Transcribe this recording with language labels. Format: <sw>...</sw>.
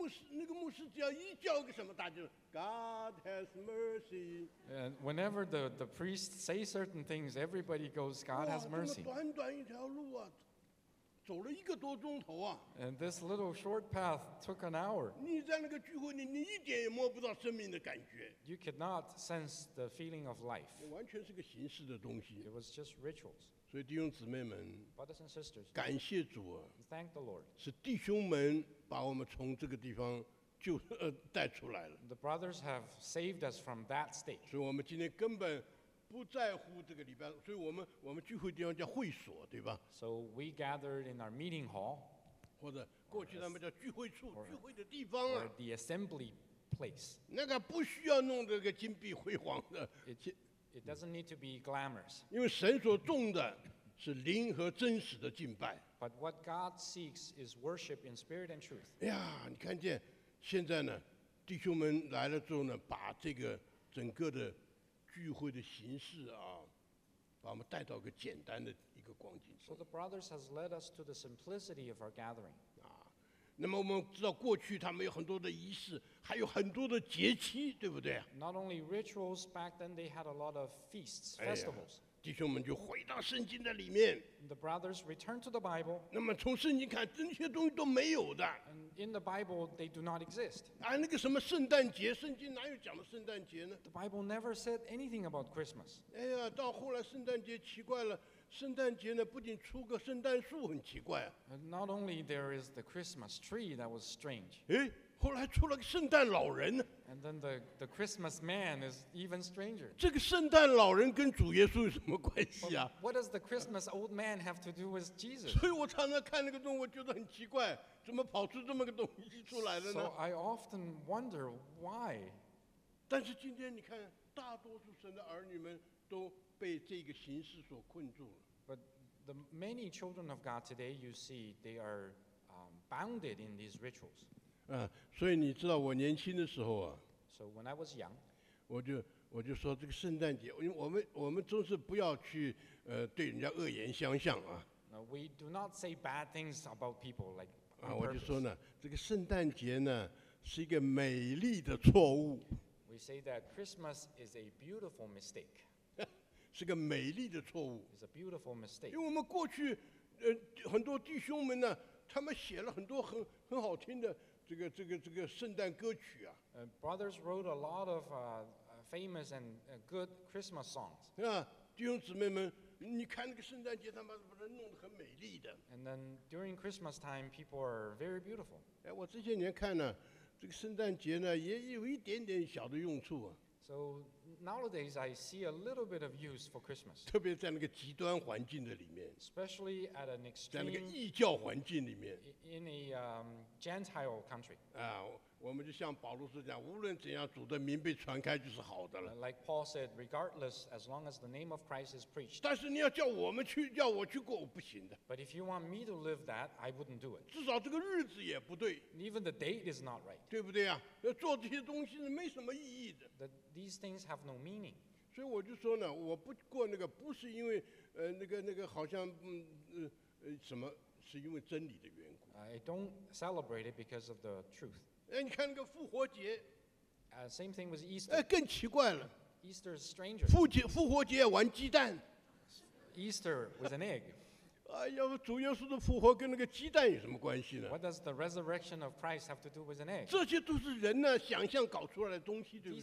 <zh>那个牧师只要一叫个什么，大家就。</zh> <en>God has mercy. And whenever the priests say certain things, everybody goes, God has mercy.</en> <zh>短短一条路啊，走了一个多钟头啊。</zh> <en>And this little short path took an hour.</en> <zh>你在那个聚会里，你一点也摸不到生命的感觉。</zh> <en>You could not sense the feeling of life.</en> <zh>完全是个形式的东西。</zh> <en>It was just rituals.</en> <zh>所以弟兄姊妹们，</zh> <en>Brothers and sisters,</en> <zh>感谢主啊。</zh> <en>Thank the Lord.</en> <zh>是弟兄们把我们从这个地方就带出来了。</zh> <en>The brothers have saved us from that state.</en> <zh>所以我们今天根本不在乎这个礼拜，所以我们聚会地方叫会所，对吧</zh> <en>？So we gathered in our meeting hall，</en> <zh>或者过去他们叫聚会处，聚会的地方啊。</zh> <en>Or the assembly place。</en> <zh>那个不需要弄这个金碧辉煌的。</zh> <en>It doesn't need to be glamorous。</en> <zh>因为神所重的是灵和真实的敬拜。</zh> <en>But what God seeks is worship in spirit and truth。</en> <zh>哎呀，你看见现在呢，弟兄们来了之后呢，把这个整个的聚会的形式啊，把我们带到一个简单的一个光景。</zh> <en>So the brothers has led us to the simplicity of our gathering.</en> <zh>啊，那么我们知道过去他们有很多的仪式，还有很多的节期，对不对</zh> <en>？Not only rituals back then, they had a lot of feasts, festivals.、</en> <zh>哎、弟兄们就回到圣经的里面。</zh> <en>The brothers returned to the Bible.</en> <zh>那么从圣经看，这些东西都没有的。</zh> <en>In the Bible, they do not exist.</en> <zh>啊，那个什么圣诞节，圣经哪有讲的圣诞节呢</zh> <en>？The Bible never said anything about Christmas.</en> <zh>哎呀，到后来圣诞节奇怪了，圣诞节呢不仅出个圣诞树很奇怪啊。</zh> <en>Not only there is the Christmas tree that was strange.</en> <zh>哎，后来出了个圣诞老人。</zh> <en>And then the Christmas man is even stranger.</en> <zh>这个圣诞老人跟主耶稣有什么关系啊</zh> <en>？What does the Christmas old man have to do with Jesus？</en> <zh>所以我常常看那个动物，觉得很奇怪。怎么跑出这么个东西出来了呢</zh> <en>？So I often wonder why.</en> <zh>但是今天你看，大多数神的儿女们都被这个形式所困住了。</zh> <en>But the many children of God today, you see, they are bounded in these rituals.</en> <zh>所以你知道我年轻的时候啊</zh> <en>，So when I was young,</en> <zh>我就说这个圣诞节，因为我们总是不要去对人家恶言相向啊。</zh> <en>No, we do not say bad things about people like.</en> <zh>我就说呢，这个圣诞节呢是一个美丽的错误。</zh> <en>We say that Christmas is a beautiful mistake.</en> <zh>是个美丽的错误。</zh> <en>It's a beautiful mistake.</en> <zh>因为我们过去，很多弟兄们呢，他们写了很多很好听的这个圣诞歌曲啊。</zh> <en>Brothers wrote a lot of famous and good Christmas songs.</en> <zh>啊，弟兄姊妹们。你看那个圣诞节，他们把它弄得很美丽的。</zh> <en>And then during Christmas time, people are very beautiful.</en> <zh>哎，我这些年看呢，这个圣诞节呢，也有一点点小的用处啊。</zh> <en>So nowadays, I see a little bit of use for Christmas.</en> <zh>特别在那个极端环境的里面。</zh> <en>Especially at an extreme.</en> <zh>在那个异教环境里面。</zh> <en>In a Gentile country.</en> <zh>啊，我们就像保罗所讲，无论怎样，主的名被传开就是好的了。</zh> <en>Like Paul said, regardless, as long as the name of Christ is preached.</en> <zh>但是你要叫我们去，叫我去过，我不行的。</zh> <en>But if you want me to live that, I wouldn't do it.</en> <zh>至少这个日子也不对。</zh> <en>Even the date is not right.</en> <zh>对不对啊？要做这些东西是没什么意义的。</zh> <en>That these things have no meaning.</en> <zh>所以我就说呢，我不过那个不是因为那个好像什么，是因为真理的缘故。</zh> <en>I don't celebrate it because of the truth.</en> <zh>哎，你看那个复活节</zh> <en>，same thing with Easter。</en> <zh>哎，更奇怪了</zh> <en>，Easter is stranger。</en> <zh>复活节玩鸡蛋</zh> <en>，Easter with an egg。</en> <zh>哎呀，主耶稣的复活跟那个鸡蛋有什么关系呢</zh> <en>？What does the resurrection of Christ have to do with an egg？</en> <zh>这些都是人呢想象搞出来的东西，对不对</zh>